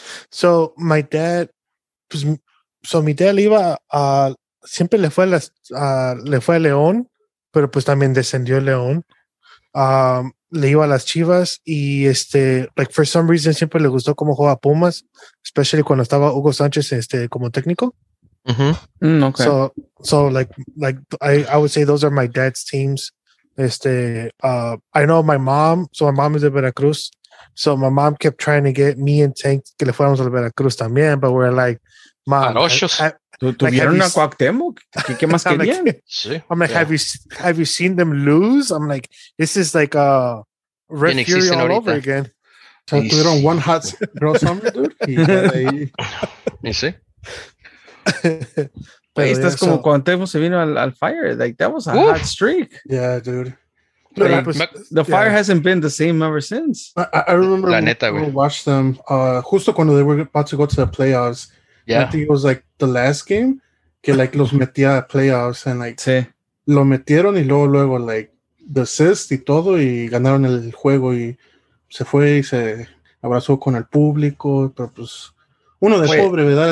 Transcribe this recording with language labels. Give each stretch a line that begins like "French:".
English: So, my dad,
Spanish: pues, so mi dad iba a, siempre le fue a León, pero pues también descendió el León. Le iba a las Chivas y
English: like for some reason
Spanish: siempre le gustó cómo jugaba Pumas, especially cuando estaba Hugo Sánchez como técnico.
English: Mm-hmm. Okay. So like I would say those are my dad's teams. I know my mom, so my mom is de Veracruz. So my mom kept trying to get me and Tank
Spanish: que le fuéramos al Veracruz también,
English: but we're like,
Spanish: Marochos. Tuvieron a Cuauhtémoc. ¿Qué más querían?
English: Have you seen them lose? I'm like, this is like a Red Fury all ahorita. Over again. So tuvieron one hot girl summer, dude.
Spanish: Y sí. Pero esto es como cuando Temo se vino al Fire.
English: Like, that was a hot streak. Yeah, dude. The Fire hasn't been the same ever since. I remember when we watched them
Spanish: justo cuando
English: they were about to go to the playoffs. Yeah. I think it was like the last game que like
Spanish: los metía a
English: playoffs and like
Spanish: sí. lo metieron y luego
English: like the assist
Spanish: y todo y ganaron el juego y se fue y se abrazó con el público, pero pues uno de pobre, ¿verdad?